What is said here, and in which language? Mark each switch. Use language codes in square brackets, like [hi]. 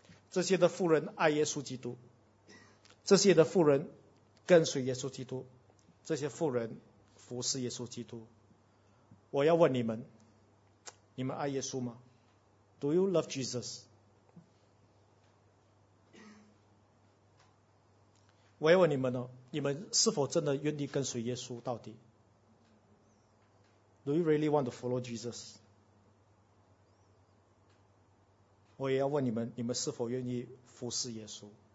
[zh] 这些的妇人爱耶稣基督，这些的妇人跟随耶稣基督，这些妇人服侍耶稣基督。我要问你们，你们爱耶稣吗？ [en] Do you love Jesus? [zh] 我要问你们，你们是否真的愿意跟随耶稣到底？ [en] Do you really want to follow Jesus? [zh] 我也要问你们，你们是否愿意服侍耶稣？